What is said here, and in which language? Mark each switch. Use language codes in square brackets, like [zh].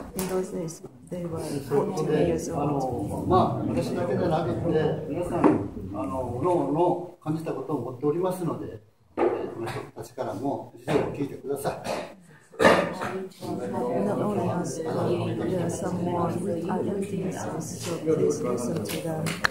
[en] In those days, they were 14 years old. [ja] まあ、私だけじゃなくて、皆さん、各々感じたことを持っておりますので、この人たちからも事情を聞いてください。 [en] Not only us, but there are some more other things also, so please listen to them.